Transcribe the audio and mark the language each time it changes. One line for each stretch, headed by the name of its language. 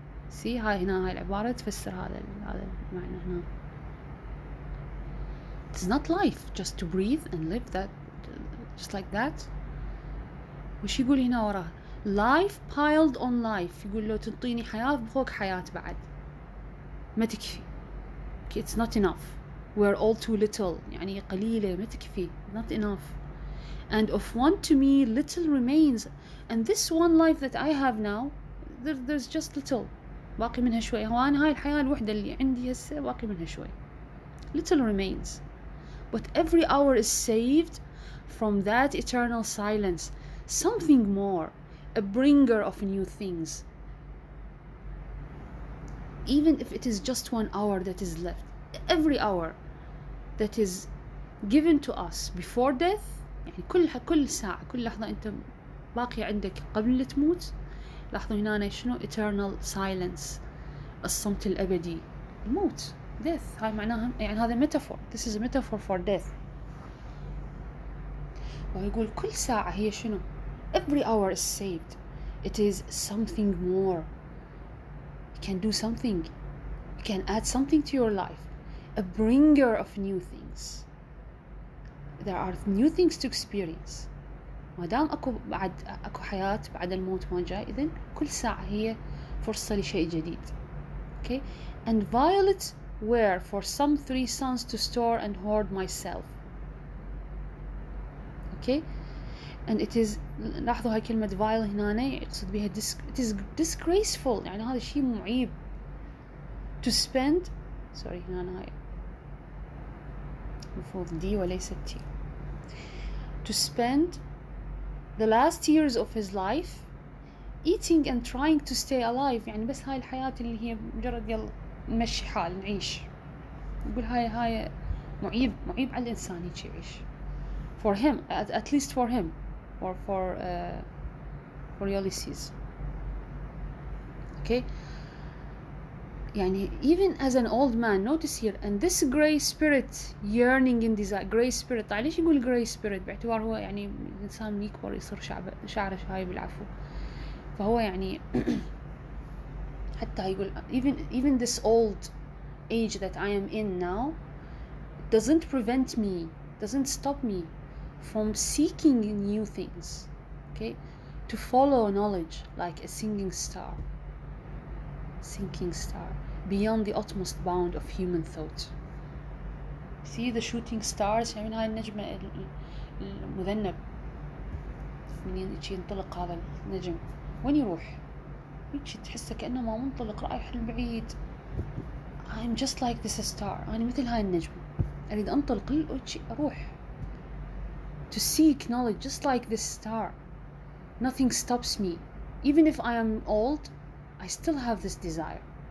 Arabic: See, هاي هنا هاي العبارة تفسر هذا المعنى هنا.
English: It's not life just to breathe and live that just like that.
Arabic: وش يقول هنا وراه؟
English: Life piled on life.
Arabic: يقول لو تنطيني حياة بخوك حياة بعد ما تكفي.
English: Okay, it's not enough. We're all too little.
Arabic: يعني قليلة ما تكفي.
English: Not enough. And of one to me little remains. And this one life that I have now, there's just little.
Arabic: باقي منها شوي. وأنا هاي الحياة الوحدة اللي عندي هسه باقي منها شوي.
English: Little remains. But every hour is saved from that eternal silence. Something more. A bringer of new things. Even if it is just one hour that is left. Every hour that is given to us before death.
Arabic: يعني كل ساعة كل لحظة أنت باقي عندك قبل تموت. لاحظوا هنا شنو
English: eternal silence.
Arabic: الصمت الأبدي. الموت. Death. هاي معناها يعني هذا metaphor.
English: This is a metaphor for death.
Arabic: ويقول كل ساعة هي شنو.
English: Every hour is saved. It is something more. You can do something. You can add something to your life. A bringer of new things. There are new things to experience.
Arabic: ما دام اكو حياة بعد الموت ما جاي، إذن كل ساعة هي فرصة لشيء جديد.
English: Okay. And violet were for some three suns to store and hoard myself. Okay. And it is,
Arabic: لاحظوا هاي كلمة
English: vile
Arabic: هنا يقصد بها
English: it is disgraceful.
Arabic: يعني هذا شيء معيب.
English: To spend, sorry
Arabic: هنا هاي المفروض دي وليس تي.
English: To spend the last years of his life eating and trying to stay alive.
Arabic: يعني بس هاي الحياة اللي هي مجرد يلا نمشي حال نعيش. يقول هاي معيب معيب على الإنسان هيك يعيش.
English: For him, at least for him. Or for Ulysses. Okay.
Arabic: يعني
English: even as an old man, notice here, and this grey spirit yearning in desire. Grey spirit.
Arabic: طيب ليش يقول
English: grey spirit؟
Arabic: باعتبار هو يعني الإنسان يكبر يصير شعره شايب العفو. فهو يعني حتى هيقول
English: even this old age that I am in now doesn't prevent me, doesn't stop me from seeking new things, okay, to follow knowledge like a sinking star beyond the utmost bound of human thought. See the shooting stars,
Arabic: يعني هاي النجمة المذنب منين ينطلق هذا النجم، وين يروح؟ هيك تحسه كأنه ما منطلق، رايح البعيد.
English: I'm just like this star،
Arabic: أنا مثل هاي النجمة، أريد أنطلق أروح.
English: To seek knowledge just like this star, nothing stops me. Even if I am old, I still have this desire.